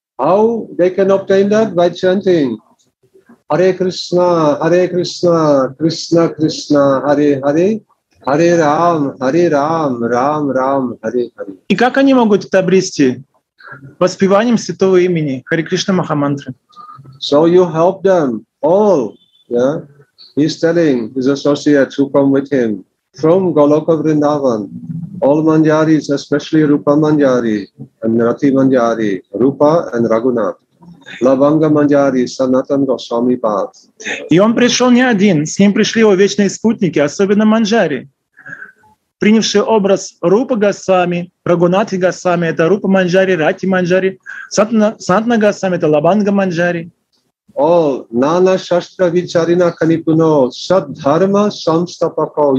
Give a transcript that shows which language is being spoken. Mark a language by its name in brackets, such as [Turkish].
[English] How they can obtain that? By chanting Hare Krishna, Hare Krishna, Krishna Krishna, Hare Hare, Hare Рам, Hare Рам, Рам Рам, Hare Hare. [Russian] И как они могут это обрести? Воспеванием святого имени Хари Кришна Махамантры. [English] So you help them all, yeah? He's telling his associates who come with him from Goloka Vrindavan, all Manjaris, especially Rupa Manjari and Rati Manjari, Rupa and Raghunath, Lavanga Manjari, Sanatan Goswami Path. [Russian] И он пришел не один, с ним пришли его вечные спутники, особенно Манджари, принявший образ Рупа Госвами, Рагунати Госвами, это Рупа Манджари, Рати Манджари, Санатана Госвами, это Лабанга Манджари. [Sanskrit] All Nana Shastra Vicharina Kanipuno, Saddharma Samstapako.